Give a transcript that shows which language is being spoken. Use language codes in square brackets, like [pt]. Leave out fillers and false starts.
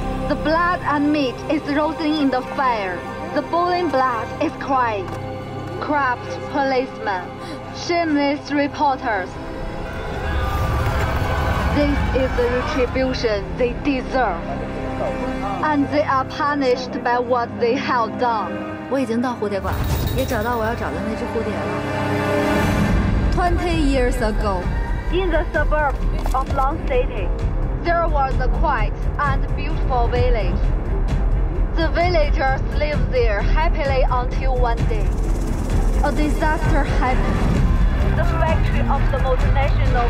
[en] The blood and meat is roasting in the fire. The boiling blood is crying. Corrupt policemen, shameless reporters. This is the retribution they deserve. And they are punished by what they have done. [zh] 我已经到蝴蝶馆，也找到我要找的那只蝴蝶了。 [en] 20 years ago, in the suburbs of Long City, there was a quiet and beautiful village. The villagers lived there happily until one day. A disaster happened. The factory of the multinational